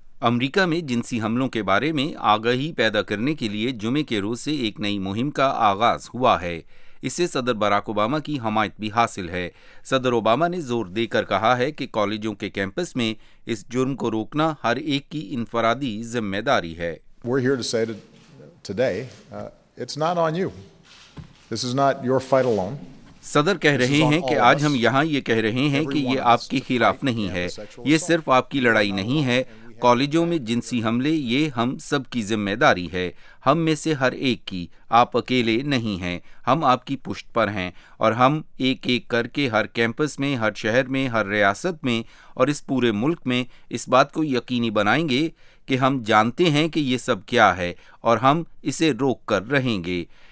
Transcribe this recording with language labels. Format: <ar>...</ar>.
<ur>امریکہ میں جنسی حملوں کے بارے میں آگاہی پیدا کرنے کے لیے جمعے کے روز سے ایک نئی مہم کا آغاز ہوا ہے۔ اسے صدر باراک اوباما کی حمایت بھی حاصل ہے۔ صدر اوباما نے زور دے کر کہا ہے کہ کالجوں کے کیمپس میں اس جرم کو روکنا ہر ایک کی انفرادی ذمہ داری ہے۔</ur> <en>We're here to say today, it's not on you. This is not your fight alone.</en> <ur>صدر کہہ رہے ہیں کہ آج ہم یہاں یہ کہہ رہے ہیں کہ یہ آپ کے خلاف نہیں ہے، یہ صرف آپ کی لڑائی نہیں ہے۔ کالجوں میں جنسی حملے، یہ ہم سب کی ذمہ داری ہے، ہم میں سے ہر ایک کی۔ آپ اکیلے نہیں ہیں، ہم آپ کی پشت پر ہیں، اور ہم ایک ایک کر کے ہر کیمپس میں، ہر شہر میں، ہر ریاست میں اور اس پورے ملک میں اس بات کو یقینی بنائیں گے کہ ہم جانتے ہیں کہ یہ سب کیا ہے اور ہم اسے روک کر رہیں گے۔</ur>